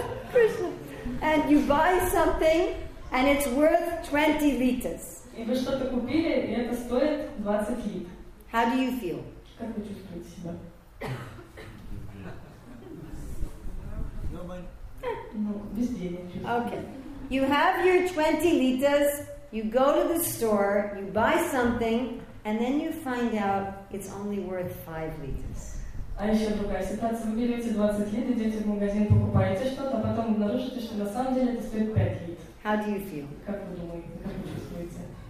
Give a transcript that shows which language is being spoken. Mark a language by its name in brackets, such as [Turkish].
[English] Krishna. And you buy something and it's worth 20 litas. [Russian] И вы что-то купили, и это стоит 20 лит. [English] How do you feel? [Russian] Как вы чувствуете себя? [English] No, [Russian] без денег. [English] Okay. You have your 20 liters, you go to the store, you buy something, and then you find out it's only worth 5 liters. [Russian] А еще другая ситуация. Вы берете 20 лит, идете в магазин, покупаете что-то, а потом обнаружите, что на самом деле это стоит 5 лит. [English] How do you feel? [Russian] Как вы думаете, как вы чувствуете?